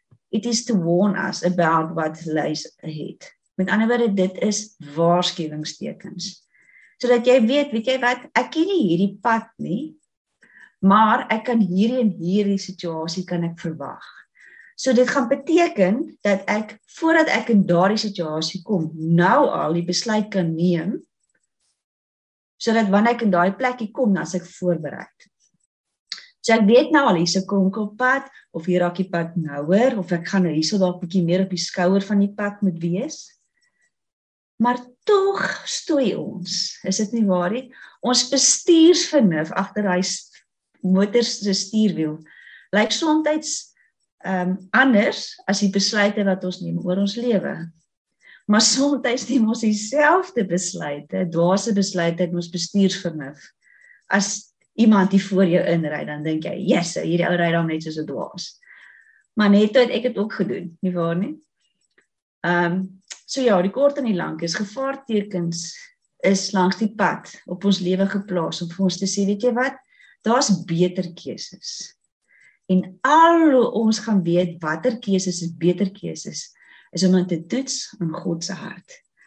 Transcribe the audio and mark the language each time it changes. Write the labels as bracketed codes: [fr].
[en] It is to warn us about what lies ahead. [af] Met ander woorde, dit is waarskuwingstekens. Sodat jy weet, weet jy wat, ek ken nie hierdie pad nie, maar ek kan hierdie en hierdie situasie kan ek verwag. So dit gaan beteken dat ek, voordat ek in daardie situasie kom, nou al die besluit kan neem, sodat wanneer ek in daardie plekkie kom, dan is ek voorbereid. So ek weet nou al, hier is een kronkelpad, of hier raak die pad nouer, of ek gaan nou hier so dat bietjie meer op die skouer van die pad moet wees. Maar toch stoei ons, is dit nie waar nie? Ons bestuursvernuf agter hy motorse stuurwiel, lyk soms anders as die besluite wat ons neem oor ons lewe. Maar soms neem ons dieselfde besluite, dwaase besluite in ons bestuursvernuf, as iemand die voor jou inry, dan denk jy, yes, hierdie ou ry dan net soos 'n dwaas. Maar net toe het ek het ook gedoen, nie waar nie? So ja, die kort en die lank is, gevaartekens is langs die pad, op ons lewe geplaas, om vir ons te sê, weet jy wat, daar is beter keuses. En al hoe ons gaan weet, watter keuses is beter keuses, is om te toets aan God se hart.